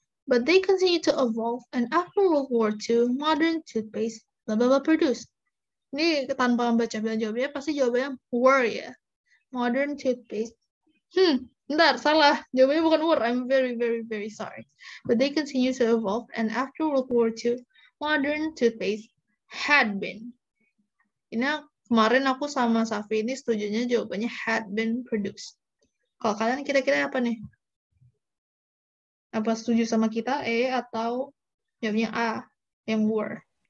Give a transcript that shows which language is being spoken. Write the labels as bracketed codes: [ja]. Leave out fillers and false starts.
[en] But they continue to evolve, and after World War II, modern toothpaste blah blah blah produced. [id] Ini tanpa membaca jawabannya, pasti jawabannya war ya. [en] Modern toothpaste. [id] Bentar, salah. Jawabannya bukan war. [en] I'm very, very, very sorry. But they continue to evolve, and after World War II, modern toothpaste had been. [id] Ini kemarin aku sama Safi ini setujunya jawabannya [en] had been produced. [id] Kalau kalian kira-kira apa nih? Apa setuju sama kita E atau jawabnya A yang were?